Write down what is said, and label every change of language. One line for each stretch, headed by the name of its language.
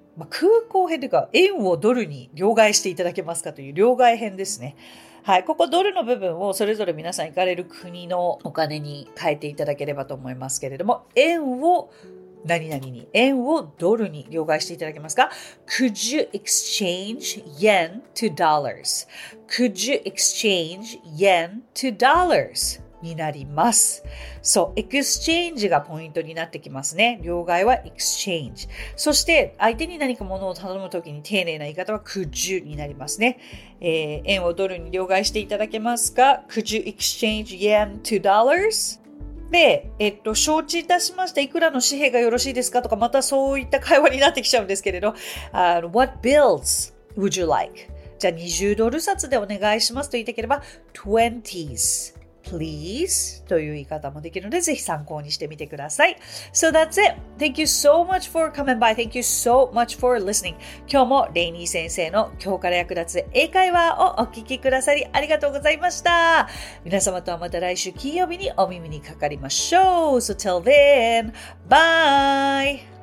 Japanese: 空港編というか、円をドルに両替していただけますかという両替編ですね。はい、ここドルの部分をそれぞれ皆さん行かれる国のお金に変えていただければと思いますけれども、円を何々に、円をドルに両替していただけますか。
English: Could you exchange yen to dollars? Could you exchange yen to dollars?
Japanese: になります。そう、 exchange がポイントになってきますね。両替は exchange。そして相手に何か物を頼むときに丁寧な言い方は
English: could you
Japanese: になりますね。円をドルに両替していただけますか。 Could you exchange yen to dollars? で、承知いたしました、いくらの紙幣がよろしいですかとか、またそういった会話になってきちゃうんですけれど、
English: What bills would you like?
Japanese: じゃあ20ドル札でお願いしますと言いたければ
English: 20s please
Japanese: という言い方もできるので、ぜひ参考にしてみてください。
English: So that's it. Thank you so much for coming by. Thank you so much for listening.
Japanese: 今日もレイニー先生の今日から役立つ英会話をお聞きくださりありがとうございました。皆様とはまた来週金曜日にお耳にかかりましょう。
English: So till then, bye.